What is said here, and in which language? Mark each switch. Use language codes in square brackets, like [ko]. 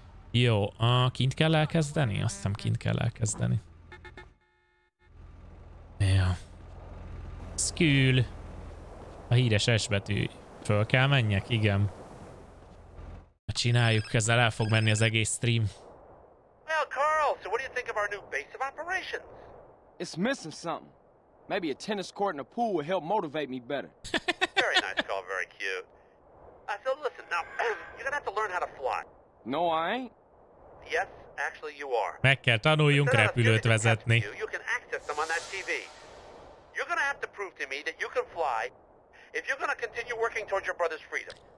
[hu] Jó, kint kell elkezdeni? Azt hiszem, kint kell elkezdeni. Skül. A híres S betű. Föl kell menjek? Igen. Csináljuk, ezzel el fog menni az egész stream. [en] Well, Carl, so what do you think of our new base of operations? It's missing something. Maybe a tennis court and a pool will help motivate me better. Very nice, Carl, very cute. So listen, now, you're gonna have to learn how to fly. No, I ain't. Yes, actually you are. [hu] Meg kell tanuljunk repülőt vezetni. [en] You can access them on that TV. You're gonna have to prove to me that you can fly if you're gonna continue working towards your brother's freedom.